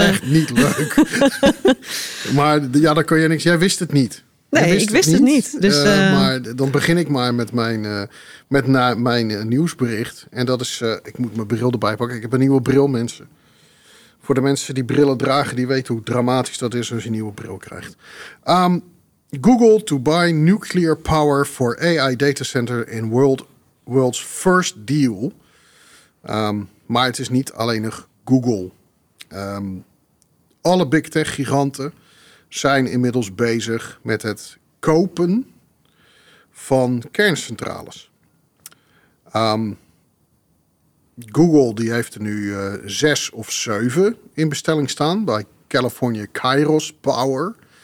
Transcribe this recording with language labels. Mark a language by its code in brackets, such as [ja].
[nl] Het echt niet leuk. Maar daar kon je niks. Jij wist het niet. Nee, ik wist het niet. Dus, maar dan begin ik maar met mijn nieuwsbericht. En dat is, ik moet mijn bril erbij pakken. Ik heb een nieuwe bril, mensen. Voor de mensen die brillen dragen, die weten hoe dramatisch dat is als je een nieuwe bril krijgt. [en] Google to buy nuclear power for AI data center in world's first deal. [nl] Maar het is niet alleen nog Google. Alle big tech giganten zijn inmiddels bezig met het kopen van kerncentrales. Google die heeft er nu 6 of 7 in bestelling staan bij California Kairos Power.